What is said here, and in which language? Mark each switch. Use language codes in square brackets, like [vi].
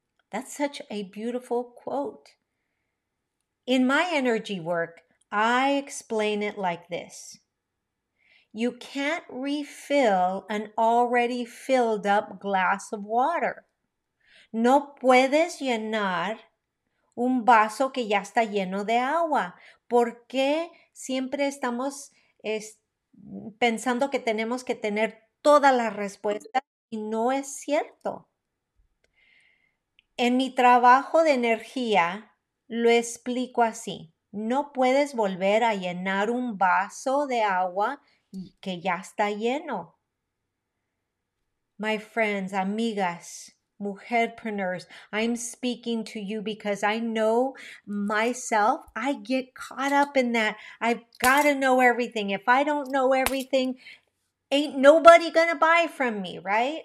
[en] That's such a beautiful quote. In my energy work, I explain it like this. You can't refill an already filled up glass of water. [es] No puedes llenar un vaso que ya está lleno de agua. ¿Por qué siempre estamos pensando que tenemos que tener todas las respuestas? Y no es cierto. En mi trabajo de energía, lo explico así. No puedes volver a llenar un vaso de agua que ya está lleno. [en] My friends, amigas, mujerpreneurs, I'm speaking to you because I know myself, I get caught up in that. I've got to know everything. If I don't know everything, ain't nobody gonna buy from me, right?